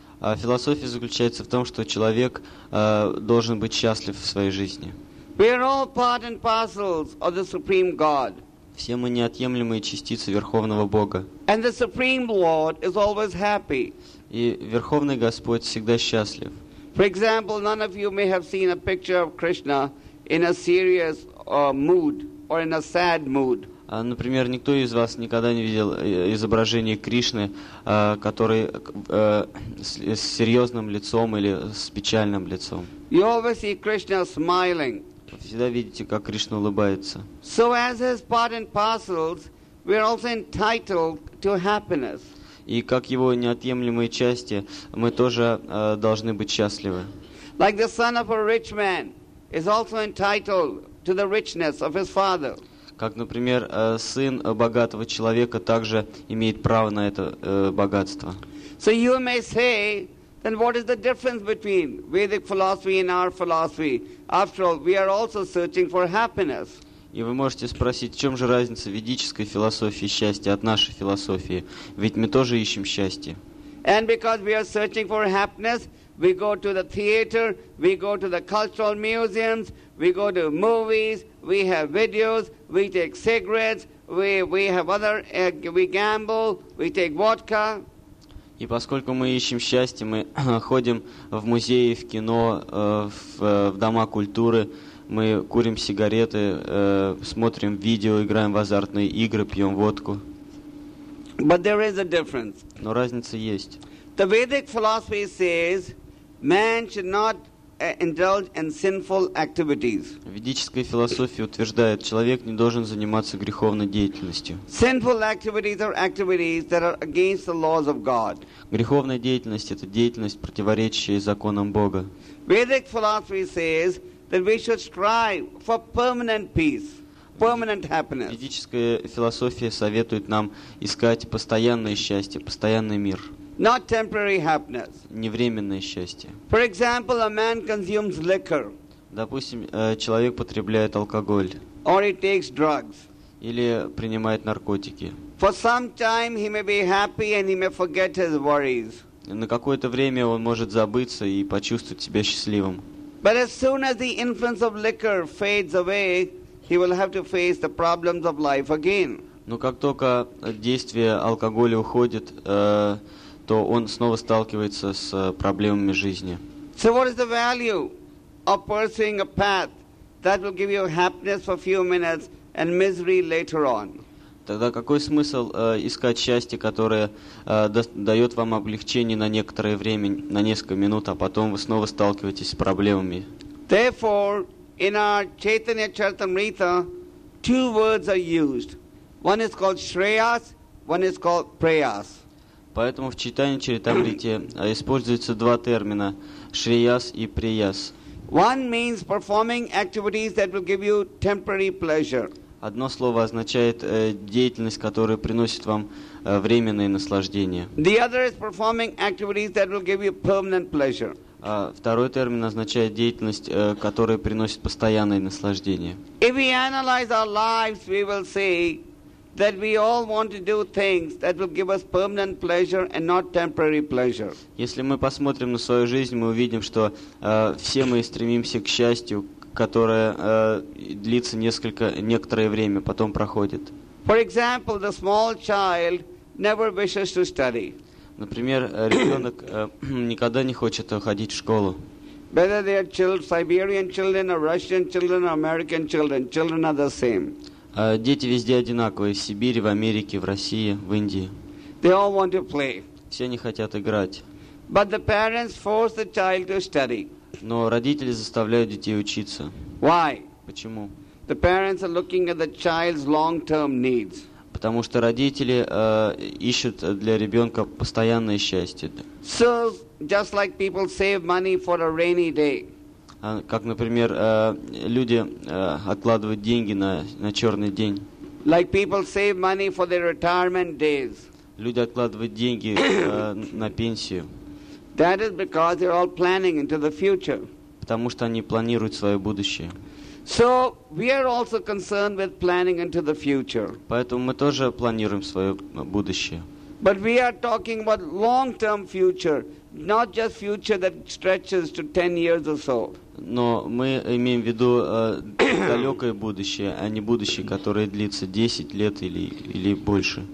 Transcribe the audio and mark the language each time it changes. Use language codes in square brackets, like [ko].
[ru] Философия заключается в том, что человек должен быть счастлив в своей жизни. [en] We are all part and parcels of the Supreme God. [ru] Все мы неотъемлемые частицы Верховного Бога. [en] And the Supreme Lord is always happy. [ru] И Верховный Господь всегда счастлив. [en] For example, none of you may have seen a picture of Krishna in a serious mood or in a sad mood. [ru] Например, никто из вас никогда не видел изображение Кришны, который с серьезным лицом или с печальным лицом. [en] You always see Krishna smiling. [ru] Вы всегда видите, как Кришна улыбается. [en] So as his part and parcels, we are also entitled to happiness. [ru] И как его неотъемлемые части, мы тоже должны быть счастливы. [en] Like the son of a rich man is also entitled to the richness of his father. [ru] Как, например, сын богатого человека также имеет право на это богатство. [en] So you may say, then what is the difference between Vedic philosophy and our philosophy? After all, we are also searching for happiness. [ru] И вы можете спросить, в чем же разница ведической философии счастья от нашей философии? Ведь мы тоже ищем счастье. [en] And because we are searching for happiness, we go to the theater, we go to the cultural museums, we go to movies, we have videos, we take cigarettes, we have other, we gamble, we take vodka. [ru] И поскольку мы ищем счастье, мы ходим в музеи, в кино, в дома культуры, мы курим сигареты, смотрим видео, играем в азартные игры, пьем водку. [en] But there is a difference. [ru] Но разница есть. [en] The Vedic philosophy says man should not indulge in sinful activities. [ru] Ведическая философия утверждает, человек не должен заниматься греховной деятельностью. [en] Sinful activities are activities that are against the laws of God. [ru] Греховная деятельность — это деятельность, противоречащая законам Бога. [en] Vedic philosophy says that we should strive for permanent peace. Permanent happiness. [ru] Ведическая философия советует нам искать постоянное счастье, постоянный мир. [en] Not temporary happiness. [ru] Не временное счастье. [en] For example, a man consumes liquor. [ru] Допустим, человек потребляет алкоголь. [en] Or he takes drugs. [ru] Или принимает наркотики. [en] For some time he may be happy and he may forget his worries. [ru] На какое-то время он может забыться и почувствовать себя счастливым. [en] But as soon as the influence of liquor fades away, he will have to face the problems of life again. [ru] Но как только действие алкоголя уходит, то он снова сталкивается с проблемами жизни. [en] So what is the value of pursuing a path that will give you happiness for a few minutes and misery later on? [ru] Тогда какой смысл искать счастье, которое дает вам облегчение на некоторое время, на несколько минут, а потом вы снова сталкиваетесь с проблемами? [en] Therefore, in our Chaitanya Charitamrita, two words are used. One is called Shreyas, one is called Prayas. [ru] Поэтому в Чайтанья Чаритамрите используются два термина Shreyas и Prayas. [en] One means performing activities that will give you temporary pleasure. [ru] Одно слово означает деятельность, которая приносит вам временное наслаждение. [en] The other is performing activities that will give you permanent pleasure. [ru] Второй термин означает деятельность, которая приносит постоянное наслаждение. [en] If we analyze our lives, we will see that we all want to do things that will give us permanent pleasure and not temporary pleasure. [ru] Если мы посмотрим на свою жизнь, мы увидим, что все мы стремимся к счастью, которое длится некоторое время, потом проходит. [en] For example, the small child never wishes to study. [ru] Например, ребенок никогда не хочет ходить в школу. [en] Whether they are Siberian children or Russian children or American children, children are the same. [ru] Дети везде одинаковые, в Сибири, в Америке, в России, в Индии. [en] They all want to play. [ru] Все они хотят играть. [en] But the parents force the child to study. [ru] Но родители заставляют детей учиться. [en] Why? [ru] Почему? [en] The parents are looking at the child's long-term needs. [ru] Потому что родители ищут для ребенка постоянное счастье. [en] So, just like people save money for a rainy day. [ru] Как, например, люди откладывают деньги на черный день. [en] Like people save money for their retirement days. [ru] Люди откладывают деньги на пенсию. [en] That is because they're all planning into the future. [ru] Потому что они планируют свое будущее. [en] So we are also concerned with planning into the future. [ru] Поэтому мы тоже планируем свое будущее. [en] But we are talking about long-term future, not just future that stretches to 10 years or so. [ru] Но мы имеем в виду далекое будущее, а не будущее, которое длится 10 лет или больше.